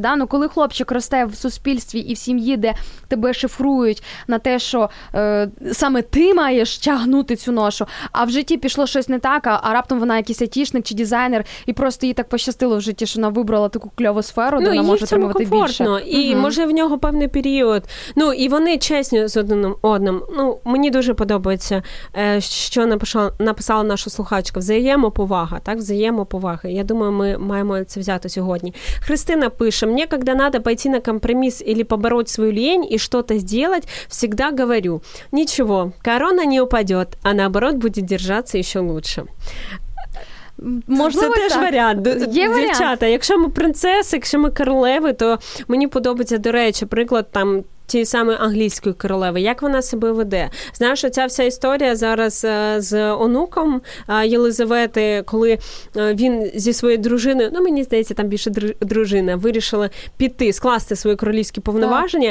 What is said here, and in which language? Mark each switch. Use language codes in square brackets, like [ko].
[uk] Да? Ну, коли хлопчик росте в суспільстві і в сім'ї, де тебе шифрують на те, що саме ти маєш тягнути цю ношу, а в житті пішло щось не так, а раптом вона якийсь айтішник чи дизайнер, і просто їй так пощастило в житті, що вона вибрала таку кльову сферу, де вона може отримувати більше. Ну, і може в нього певний період. Ну, і вони чесні з одним одним. Ну, мені дуже подобається, що написала наша слухачка. Взаємоповага, так? Взаємоповага. Я думаю, ми маємо це взяти сьогодні. [ru] Христина пише: «Мне, когда надо пойти на компромисс или побороть свою лень и что-то сделать, всегда говорю: ничего, корона не упадет, а наоборот будет держаться еще лучше». [uk] Можливо, це теж так. Варіант. Є варіант. Якщо ми принцеси, якщо ми королеви, то мені подобається, до речі, приклад там тієї самої англійської королеви, як вона себе веде. Знаєш, оця вся історія зараз з онуком Єлизавети, коли він зі своєю дружиною, ну, мені здається, там більше дружина, вирішила піти, скласти свої королівські повноваження.